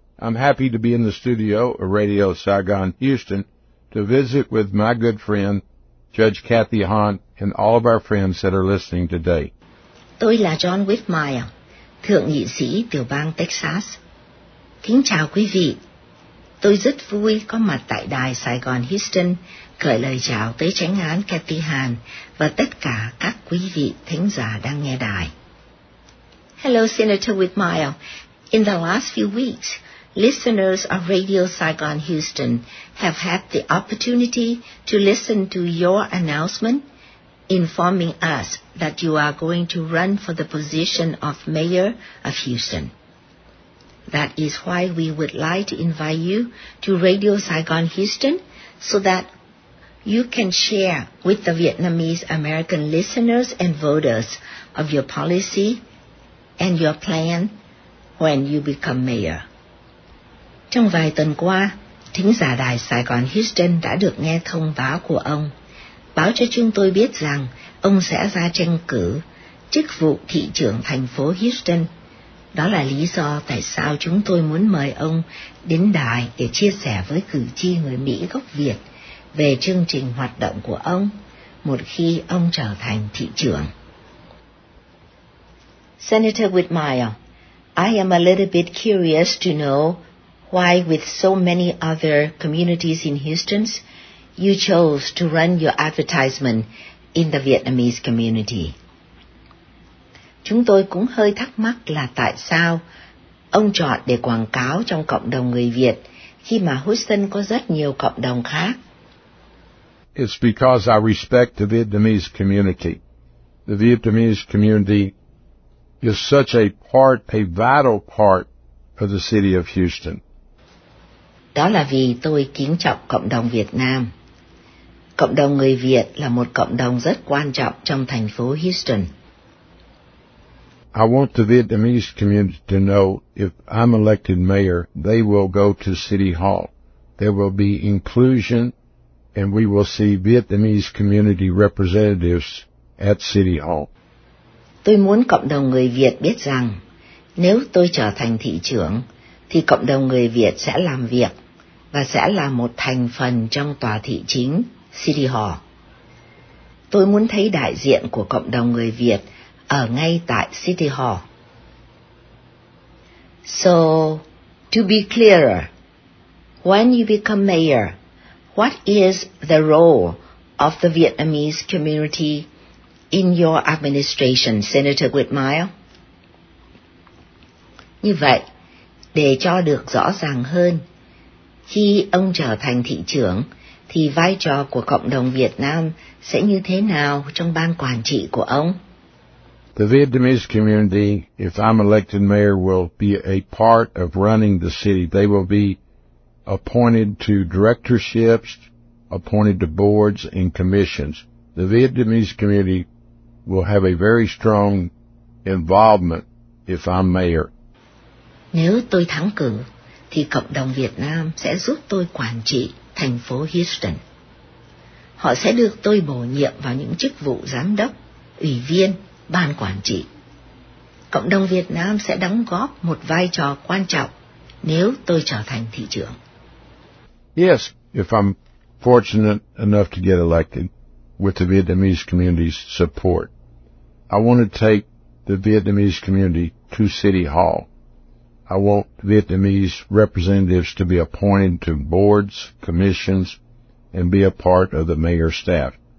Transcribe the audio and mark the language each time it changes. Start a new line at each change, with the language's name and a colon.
English: I'm happy to be in the studio of Radio Saigon Houston to visit with my good friend, Judge Kathy Hahn, and all of our friends that are listening today.
Vietnamese: Tôi là John Whitmire, Thượng nghị sĩ tiểu bang Texas. Kính chào quý vị. Tôi rất vui có mặt tại đài Saigon Houston, gửi lời chào tới chánh án Kathy Hahn và tất cả các quý vị thính giả đang nghe đài.
English: Hello, Senator Whitmire. In the last few weeks, listeners of Radio Saigon Houston have had the opportunity to listen to your announcement informing us that you are going to run for the position of Mayor of Houston. That is why we would like to invite you to Radio Saigon Houston so that you can share with the Vietnamese American listeners and voters of your policy and your plan when you become mayor.
Vietnamese: Trong vài tuần qua, thính giả đài Sài Gòn Houston đã được nghe thông báo của ông, báo cho chúng tôi biết rằng ông sẽ ra tranh cử chức vụ thị trưởng thành phố Houston. Đó là lý do tại sao chúng tôi muốn mời ông đến đài để chia sẻ với cử tri người Mỹ gốc Việt về chương trình hoạt động của ông một khi ông trở thành thị trưởng.
English: Senator Whitmire, I am a little bit curious to know why, with so many other communities in Houston, you chose to run your advertisement in the Vietnamese community.
Vietnamese: Chúng tôi cũng hơi thắc mắc là tại sao ông chọn để quảng cáo trong cộng đồng người Việt khi mà Houston có rất nhiều cộng đồng khác.
English: It's because I respect the Vietnamese community. The Vietnamese community is such a part, a vital part of the city of Houston.
Vietnamese: Đó là vì tôi kính trọng cộng đồng Việt Nam. Cộng đồng người Việt là một cộng đồng rất quan trọng trong thành phố Houston.
English: I want the Vietnamese community to know if I'm elected mayor, they will go to City Hall. There will be inclusion and we will see Vietnamese community representatives at City Hall.
Vietnamese: Tôi muốn cộng đồng người Việt biết rằng nếu tôi trở thành thị trưởng thì cộng đồng người Việt sẽ làm việc và sẽ là một thành phần trong tòa thị chính City Hall. Tôi muốn thấy đại diện của cộng đồng người Việt ở ngay tại City Hall.
English: So, to be clearer, when you become mayor, what is the role of the Vietnamese community in your administration, Senator Whitmire?
Vietnamese: Như vậy, để cho được rõ ràng hơn, khi ông trở thành thị trưởng, thì vai trò của cộng đồng Việt Nam sẽ như thế nào trong ban quản trị của ông?
English: The Vietnamese community, if I'm elected mayor, will be a part of running the city. They will be appointed to directorships, appointed to boards and commissions. The Vietnamese community will have a very strong involvement if I'm mayor.
Vietnamese: Nếu tôi thắng cử, thì cộng đồng Việt Nam sẽ giúp tôi quản trị thành phố Houston. Họ sẽ được tôi bổ nhiệm vào những chức vụ giám đốc, ủy viên, ban quản trị. cộng đồng Việt Nam sẽ đóng góp một vai trò quan trọng nếu tôi trở thành thị trưởng.
English: Yes, if I'm fortunate enough to get elected with the Vietnamese community's support, I want to take the Vietnamese community to City Hall. I want Vietnamese representatives to be appointed to boards, commissions, and be a part of the mayor's staff.